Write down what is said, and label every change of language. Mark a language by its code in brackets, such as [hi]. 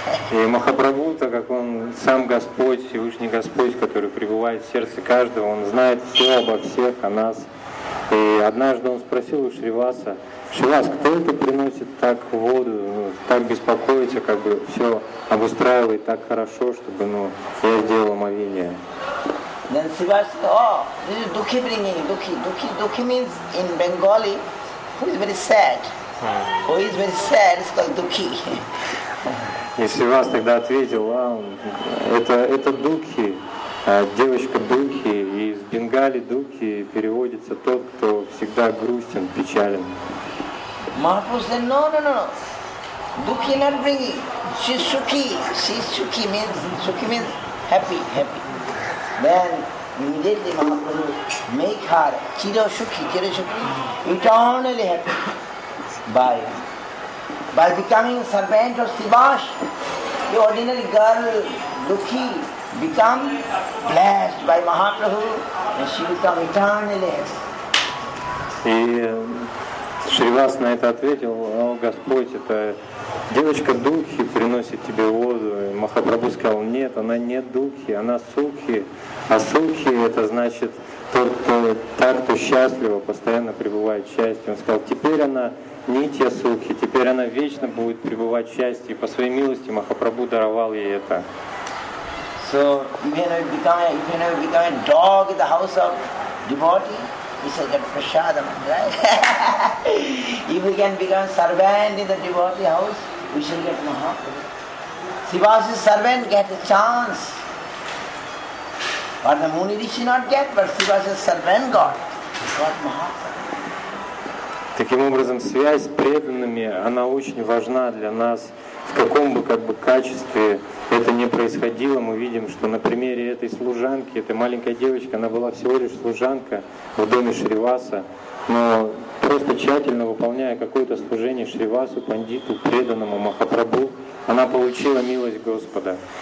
[ru] И Махапрабху, так как он сам Господь, Всевышний Господь, который пребывает в сердце каждого, он знает все обо всех, о нас. И однажды он спросил у Шриваса, Шривас, кто это приносит так воду, так беспокоится, как бы все обустраивает так хорошо, чтобы я сделал омовение. [en] Then Shiva said, oh, this is Dukhi bringing, Dukhi. Dukhi means in Bengali, who is very sad. Who is very sad is called Dukhi. [ru] И Сивас тогда ответил, это Дукхи, девочка Дукхи, и из Бенгали Дукхи переводится тот, кто всегда грустен, печален. [en] Mahaprabhu said, no. Dukhi not bringing. She's Sukhi means, Sukhi means happy. Then immediately Mahaprabhu make her Chira Sukhi, eternally happy. By becoming servant of Sivash, the ordinary girl, Dukhi, become blessed by Mahaprabhu, and she become eternally happy. [ru] Шривас на это ответил: «О, Господь, это девочка Духи приносит тебе воду». И Махапрабху сказал: «Нет, она не Духи, она Сухи. А Сухи — это значит тот, кто так, кто счастлив, постоянно пребывает в счастье». Он сказал: «Теперь она Нитья Сухи, теперь она вечно будет пребывать в счастье». И по своей милости Махапрабху даровал ей это. [en] So, even if you become a dog in the house of devotee, he says that prasadam, right? If we can become servant in the devotee house, we shall get Mahaprabhu. Sivas' servant get a chance. But the Muni Rishi not get, but Sivas' servant got. He got Mahaprabhu. [ru] Таким образом, связь с преданными, она очень важна для нас. В каком бы как бы качестве это ни происходило, мы видим, что на примере этой служанки, этой маленькой девочки, она была всего лишь служанка в доме Шриваса, но просто тщательно выполняя какое-то служение Шривасу, пандиту, преданному Махапрабху, она получила милость Господа.